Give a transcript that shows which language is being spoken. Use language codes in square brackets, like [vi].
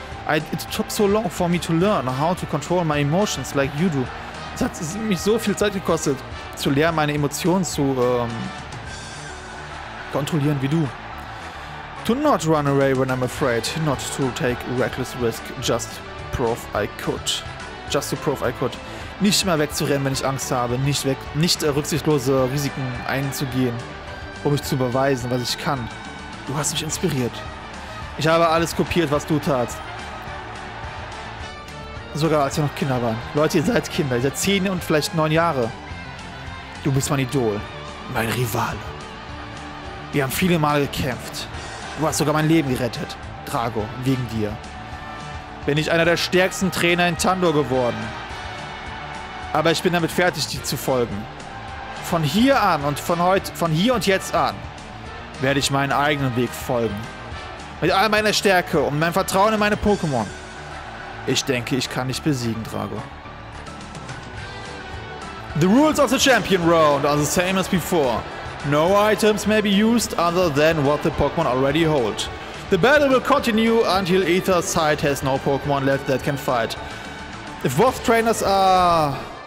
[en] It took so long for me to learn how to control my emotions like you do. [de] Es hat mich so viel Zeit gekostet, zu lernen, meine Emotionen zu kontrollieren wie du. [en] To not run away when I'm afraid, not to take reckless risk, just to prove I could. [de] Nicht immer wegzurennen, wenn ich Angst habe, nicht rücksichtslose Risiken einzugehen, um mich zu beweisen, was ich kann. Du hast mich inspiriert. Ich habe alles kopiert, was du tatst. Sogar als wir noch Kinder waren. Leute, ihr seid Kinder. Ihr seid 10 und vielleicht 9 Jahre. Du bist mein Idol. Mein Rivale. Wir haben viele Male gekämpft. Du hast sogar mein Leben gerettet. Drago, wegen dir. Bin ich einer der stärksten Trainer in Tandor geworden. Aber ich bin damit fertig, dir zu folgen. Von hier an und von hier und jetzt an werde ich meinen eigenen Weg folgen. Mit all meiner Stärke und meinem Vertrauen in meine Pokémon. Ich denke, ich kann dich besiegen, Drago. [en] The rules of the champion round are the same as before. No items may be used other than what the Pokémon already hold. The battle will continue until either side has no Pokémon left that can fight. If both trainers are...